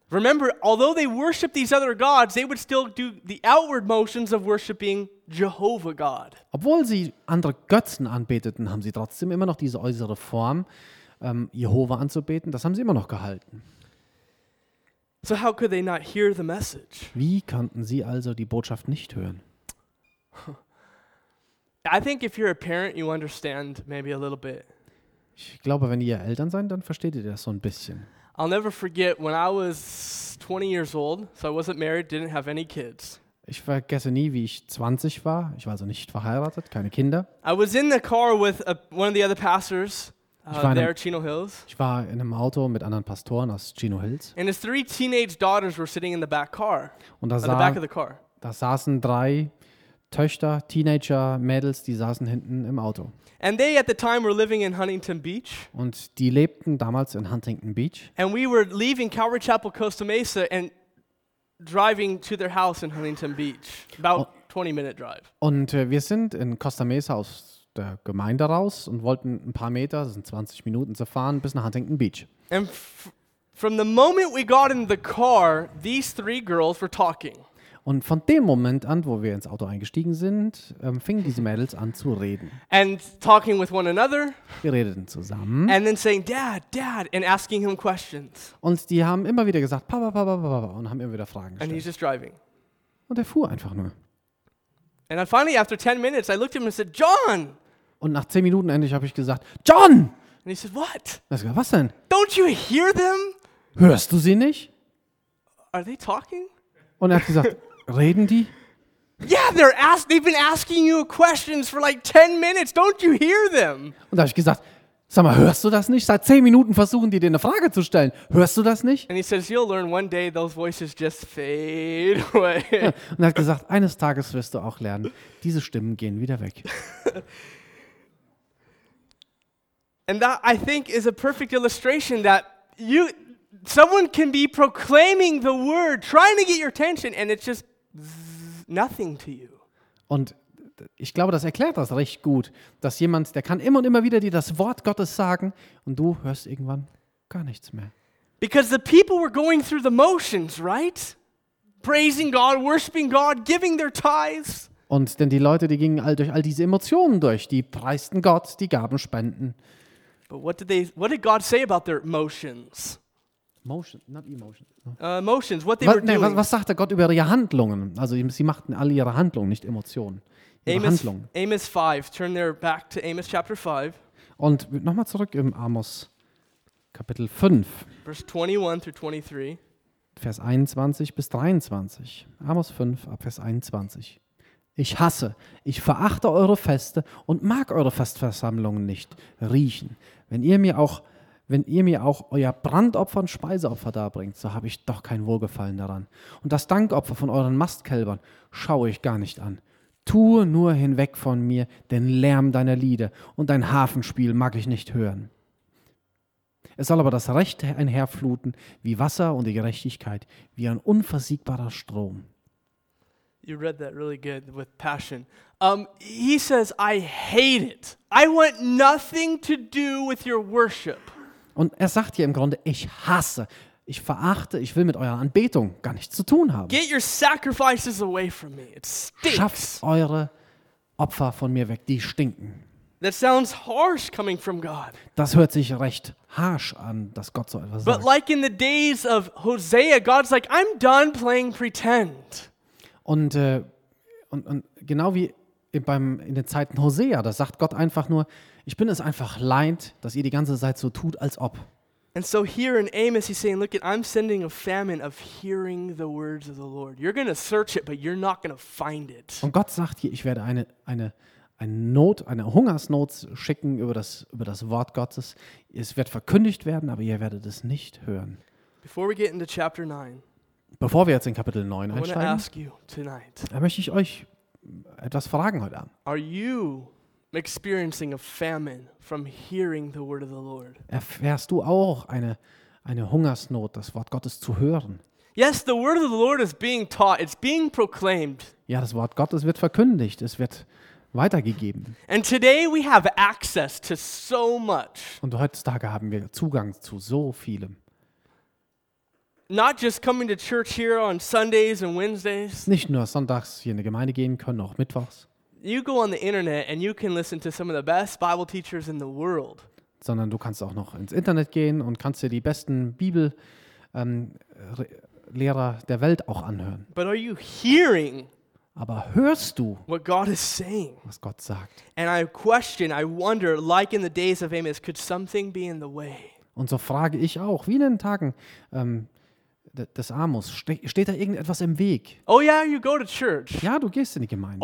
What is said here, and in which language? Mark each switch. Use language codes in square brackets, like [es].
[en] Remember, although they worshiped these other gods, they would still do the outward motions of worshiping Jehovah God. [de] Obwohl sie andere Götzen anbeteten, haben sie trotzdem immer noch diese äußere Form, Jehovah anzubeten. Das haben sie immer noch gehalten. [en] So how could they not hear the message? [de] Wie konnten sie also die Botschaft nicht hören? [en] I think if you're a parent, you understand maybe a little bit. [de] Ich glaube, wenn ihr Eltern seid, dann versteht ihr das so ein bisschen. [en] I'll never forget when I was 20 years old, so I wasn't married, didn't have any kids. [de] Ich vergesse nie, wie ich 20 war. Ich war also nicht verheiratet, keine Kinder. [en] I was in the car with one of the other pastors. There, Chino Hills. [de] Ich war in einem Auto mit anderen Pastoren aus Chino Hills. [en] And his three teenage daughters were sitting in the back car. [de] Und da saßen drei Töchter, Teenager-Mädels, die saßen hinten im Auto. [en] And they at the time were living in Huntington Beach. [de] Und die lebten damals in Huntington Beach. [en] And we were leaving Calvary Chapel Costa Mesa and driving to their house in Huntington Beach, about 20-minute drive. [de] Und wir sind in Costa Mesa aus der Gemeinde raus und wollten ein paar Meter, das sind 20 Minuten zu fahren, bis nach Huntington Beach. [en] And from the moment we got in the car, these three girls were talking. [de] Und von dem Moment an, wo wir ins Auto eingestiegen sind, fingen diese Mädels an zu reden. [en] And talking with one another. [de] Wir redeten zusammen. [en] And then saying, Dad, Dad, and asking him questions. [de] Und die haben immer wieder gesagt, Papa, Papa, Papa, Papa, und haben immer wieder Fragen gestellt. [en] And he's just driving. [de] Und er fuhr einfach nur. [en] And then finally, after 10 minutes, I looked at him and said, John! [de] Und nach 10 Minuten endlich habe ich gesagt, John! [en] And he said, what? [de] Was denn? Was denn? [en] Don't you hear them? [de] Hörst du sie nicht? [en] Are they talking? [de] Und er hat gesagt, reden die? [en] Yeah, they've been asking you questions for like 10 minutes. Don't you hear them? [de] Und da habe ich gesagt, sag mal, hörst du das nicht? Seit 10 Minuten versuchen die dir eine Frage zu stellen. Hörst du das nicht? [en] And he says, you'll learn one day those voices just fade away. [de] Und er hat gesagt, eines Tages wirst du auch lernen, diese Stimmen gehen wieder weg. [en] And that I think is a perfect illustration that someone can be proclaiming the word, trying to get your attention, and it's just nothing to you. [de] Und ich glaube, das erklärt das recht gut, dass jemand, der kann immer und immer wieder dir das Wort Gottes sagen, und du hörst irgendwann gar nichts mehr. [en] Because the people were going through the motions, right? Praising God, worshiping God, giving their tithes. [de] Und denn die Leute, die gingen all durch all diese Emotionen durch, die preisten Gott, die gaben Spenden. [en] But what did God say about their motions? Motion, not emotion. Motions, what they were doing. [de] Was sagt der Gott über ihre Handlungen? Also sie machten alle ihre Handlungen, nicht Emotionen. [en] Amos 5, turn there back to Amos chapter 5. [de] Und nochmal zurück im Amos Kapitel 5. [en] Verse 21 through 23. [de] Vers 21 bis 23. Amos 5, ab Vers 21. Ich hasse, ich verachte eure Feste und mag eure Festversammlungen nicht riechen. Wenn ihr mir auch euer Brandopfer und Speiseopfer darbringt, so habe ich doch kein Wohlgefallen daran. Und das Dankopfer von euren Mastkälbern schaue ich gar nicht an. Tue nur hinweg von mir den Lärm deiner Lieder und dein Hafenspiel mag ich nicht hören. Es soll aber das Recht einherfluten wie Wasser und die Gerechtigkeit wie ein unversiegbarer Strom. [en] You read that really good with passion. He says, I hate it. I want nothing to do with your worship. [de] Und er sagt hier im Grunde, ich hasse, ich verachte, ich will mit eurer Anbetung gar nichts zu tun haben. [en] Get your sacrifices away from me. It stinks. [de] Schafft eure Opfer von mir weg, die stinken. [en] That sounds harsh coming from God. [de] Das hört sich recht harsch an, dass Gott so etwas sagt. [en] But like in the days of Hosea, God's like, I'm done playing pretend. [de] Und genau wie in den Zeiten Hosea, da sagt Gott einfach nur, ich bin es einfach leid, dass ihr die ganze Zeit so tut, als ob. [en] And so here in Amos, he's saying, look, I'm sending a famine of hearing the words of the Lord. You're going to search it, but you're not going to find it. [de] Und Gott sagt hier, ich werde eine Hungersnot schicken über das Wort Gottes. Es wird verkündigt werden, aber ihr werdet es nicht hören. [en] Before we get into chapter 9, [de] bevor wir jetzt in Kapitel 9 einsteigen, [en] ask you tonight, [de] da möchte ich euch etwas fragen heute Abend. [en] Are you experiencing a famine from hearing the word of the Lord? [de] Erfährst du auch eine Hungersnot, das Wort Gottes zu hören? [en] Yes, the word of the Lord is being taught. It's being proclaimed. [de] Ja, das Wort Gottes wird verkündigt. Es wird weitergegeben. [en] And today we have access to so much. [de] Und heutzutage haben wir Zugang zu so vielem. [en] Not just coming to church here on Sundays and Wednesdays. [de] Nicht nur sonntags hier in die Gemeinde gehen können, auch mittwochs. [en] You go on the internet and you can listen to some of the best Bible teachers in the world. [de] Sondern du kannst auch noch ins Internet gehen und kannst dir die besten Bibel Lehrer der Welt auch anhören. [en] But are you hearing? [de] Aber hörst du? [en] What God is saying? [de] Was Gott sagt? [en] And I question, I wonder, like in the days of Amos, could something be in the way? [de] Und so frage ich auch, wie in den Tagen des Amos, steht da irgendetwas im Weg? [en] Oh yeah, you go to church. [de] Ja, du gehst in die Gemeinde.